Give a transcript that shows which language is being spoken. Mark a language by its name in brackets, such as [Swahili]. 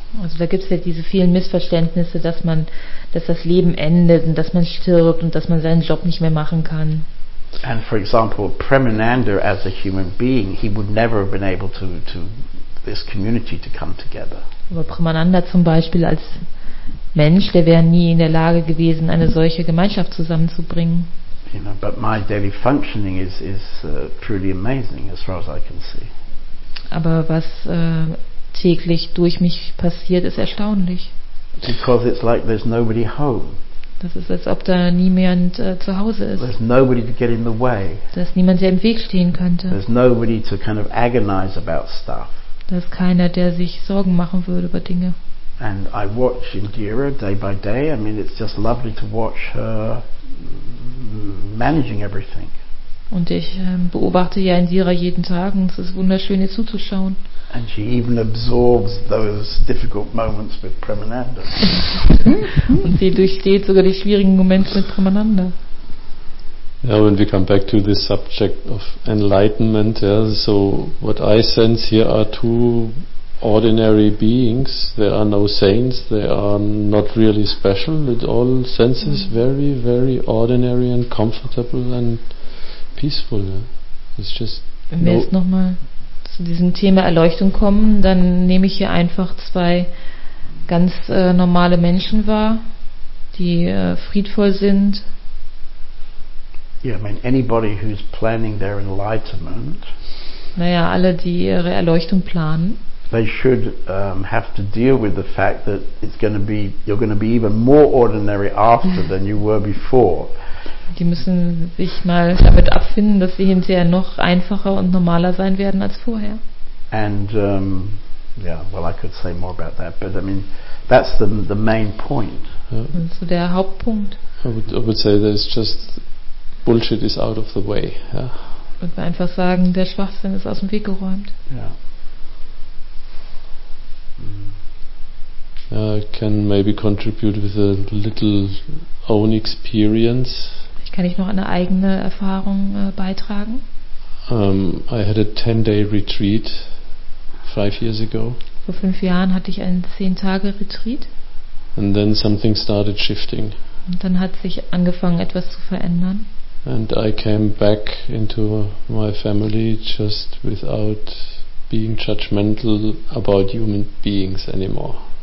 [German] Also da gibt es ja diese vielen Missverständnisse, dass das Leben endet und dass man stirbt und dass man seinen Job nicht mehr machen kann. [English] And for example, Premananda as a human being, he would never have been able to this community to come together. [German] Aber Premananda zum Beispiel als Mensch, der wäre nie in der Lage gewesen, eine solche Gemeinschaft zusammenzubringen. [English] You know, but my daily functioning is truly amazing, as far as I can see. [German] Aber was täglich durch mich passiert, ist erstaunlich. [English] Because it's like there's nobody home. [German] Das ist, als ob da niemand zu Hause ist. [English] There's nobody to get in the way. [German] Dass niemand im Weg stehen könnte. [English] There's nobody to kind of agonize about stuff. [German] Da ist keiner, der sich Sorgen machen würde über Dinge. [English] And I watch Indira day by day. I mean, it's just lovely to watch her managing everything. [German] Und ich beobachte ja Indira jeden Tag und es ist wunderschön, ihr zuzuschauen. [English] And she even absorbs those difficult moments with Premananda. [German] Und sie durchsteht sogar die schwierigen Momente mit Premananda. [English] Yeah, when we come back to this subject of enlightenment, yeah, so what I sense here are two ordinary beings. There are no saints, they are not really special. It all senses very, very ordinary and comfortable and peaceful. Yeah. It's just [German] wenn wir jetzt nochmal zu diesem Thema Erleuchtung kommen, dann nehme ich hier einfach zwei ganz normale Menschen wahr, die friedvoll sind. [English] Yeah, I mean, anybody who's planning their enlightenment, [German] naja, alle, die ihre Erleuchtung planen, [English] they should have to deal with the fact that it's going to be, you're going to be even more ordinary after than you were before. [German] Die müssen sich mal damit abfinden, dass sie hinterher noch einfacher und normaler sein werden als vorher. [English] And yeah, well, I could say more about that, but I mean, that's the main point. [German] Yeah. So der Hauptpunkt. [English] I would say that it's just bullshit is out of the way. Yeah. [German] Und wir einfach sagen, der Schwachsinn ist aus dem Weg geräumt. [English] Yeah. I can maybe contribute with a little own experience. [German] Kann ich noch eine eigene Erfahrung beitragen? [English] I had a 10-day retreat 5 years ago. [German] Vor 5 Jahren hatte ich einen 10-Tage-Retreat. [English] And then something started shifting. [German] Und dann hat sich angefangen, etwas zu verändern. [English] And I came back into my family just without being judgmental about human beings anymore.